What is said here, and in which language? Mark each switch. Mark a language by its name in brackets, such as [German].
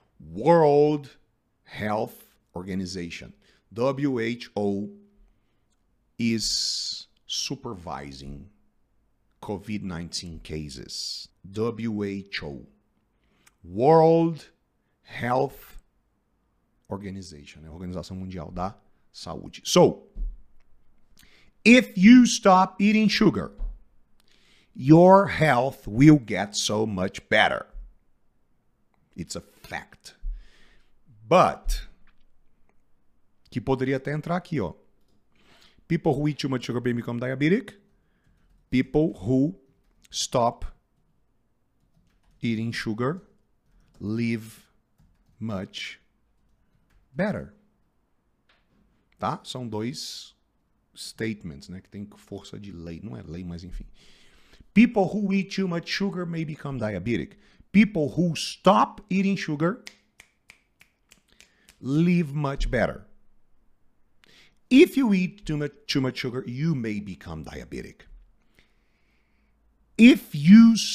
[English] World Health Organization, WHO, is supervising COVID-19 cases. WHO. [Portuguese] World Health Organization, é a Organização Mundial da Saúde. [English] So, if you stop eating sugar, your health will get so much better. It's a fact. [Portuguese] But, que poderia até entrar aqui, ó. [English] People who eat too much sugar become diabetic. People who stop eating sugar live much better. [Portuguese] Tá? São dois statements, né? Que tem força de lei. Não é lei, mas enfim. [English] People who eat too much sugar may become diabetic. People who stop eating sugar live much better. If you eat too much sugar, you may become diabetic. If you